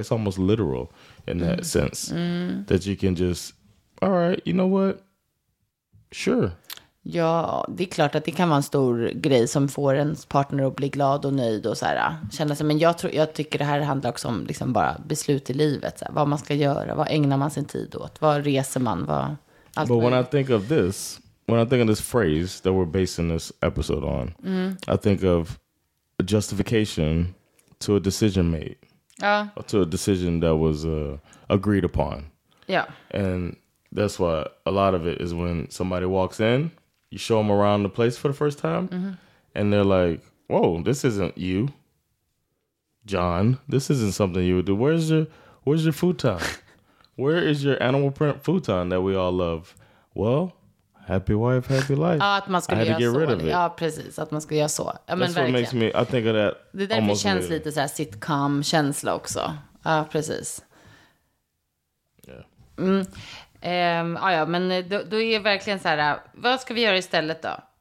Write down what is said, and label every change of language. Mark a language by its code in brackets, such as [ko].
[en] It's almost literal in that sense. That you can just, all right, you know what? Sure. [sv] Ja, det är klart att det kan vara en stor grej som får ens partner att bli glad och nöjd och så här, känna sig. Men jag tycker det här handlar också om liksom bara beslut i livet. Så här, vad man ska göra, vad ägnar man sin tid åt, vad reser man, vad... Allt. [en] But when I think of this, when I think of this phrase that we're basing this episode on, I think of a justification to a decision made. [sv] Ja. [en] Or to a decision that was agreed upon. [sv] Ja. [en] And... That's why a lot of it is when somebody walks in, you show them around the place for the first time, and they're like, whoa, this isn't you, John. This isn't something you would do. Where's your futon? Where is your animal print futon that we all love? Well, happy wife, happy life. [sv] Ah, att man ska [en] I had to get rid of it. [sv] Ja, precis. Att man ska göra så. [en] I mean, that's what makes me, I think of that. [sv] Det där almost känns lite så här sitcom-känsla också. Ja, precis. [en] Yeah. Mm. [sv] Ja, men då är det verkligen så här, vad ska vi göra istället då?